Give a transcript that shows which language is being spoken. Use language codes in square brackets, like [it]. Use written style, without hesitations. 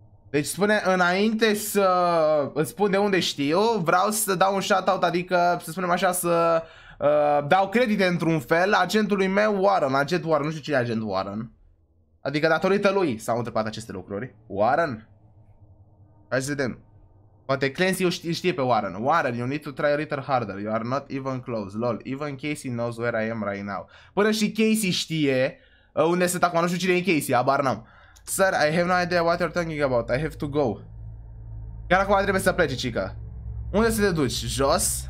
[ro] Deci spune, înainte să îți spun de unde știu, vreau să dau un shout out, adică să spunem așa, să dau credite într-un fel agentului meu Warren. Agent Warren, nu știu ce e agent Warren. Adică datorită lui s-au întrebat aceste lucruri. Warren? Hai să vedem. Poate Clancy știe pe Warren. [en] Warren, you need to try a little harder. You are not even close. Lol, even Casey knows where I am right now. [ro] Până și Casey știe unde sunt acum. Nu știu cine e Casey, abar n-am. [en] Sir, I have no idea what you're talking about. I have to go. [ro] Chiar acum trebuie să plece, chica. Unde să te duci? Jos?